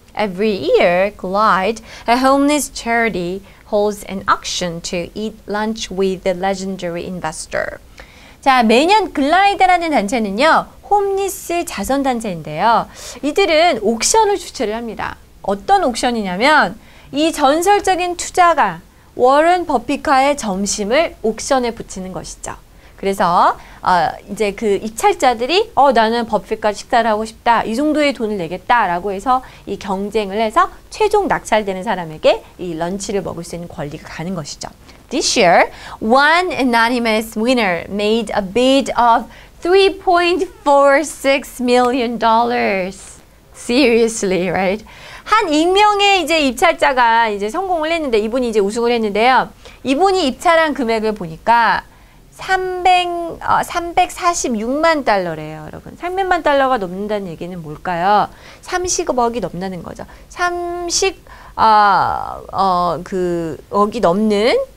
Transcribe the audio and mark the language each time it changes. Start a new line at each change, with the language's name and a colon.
English: Every year, Glide, a homeless charity, holds an auction to eat lunch with the legendary investor.
Korean: 자, 매년 Glide라는 단체는요, 홈리스 자선 단체인데요, 이들은 옥션을 주최를 합니다. 어떤 옥션이냐면 이 전설적인 투자가 워런 버핏과의 점심을 옥션에 붙이는 것이죠. 그래서 이제 그 입찰자들이 나는 버핏과 식사를 하고 싶다, 이 정도의 돈을 내겠다라고 해서 이 경쟁을 해서 최종 낙찰되는 사람에게 이 런치를 먹을 수 있는 권리가 가는 것이죠.
English: This year, one anonymous winner made a bid of $3.46 million. Seriously, right?
Korean: 한 익명의 이제 입찰자가 이제 성공을 했는데, 이분이 이제 우승을 했는데요. 이분이 입찰한 금액을 보니까 346만 달러래요, 여러분. 300만 달러가 넘는다는 얘기는 뭘까요? 30억이 넘는다는 거죠. 30억이 넘는